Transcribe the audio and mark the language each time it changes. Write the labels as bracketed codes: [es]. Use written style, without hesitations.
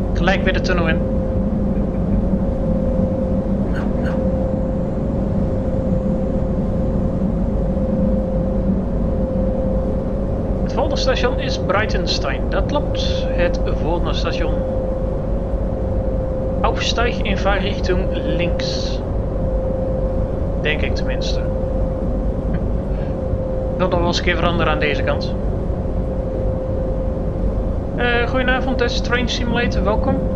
[nl] Ik weer de tunnel in. Het volgende station is Breitenstein. Dat klopt. Het volgende station. [de] Aufstieg in Fahrrichtung links. [nl] Denk ik tenminste. Ik wil nog wel eens een keer veranderen aan deze kant. Goedenavond, Death Strange Simulator. Welkom.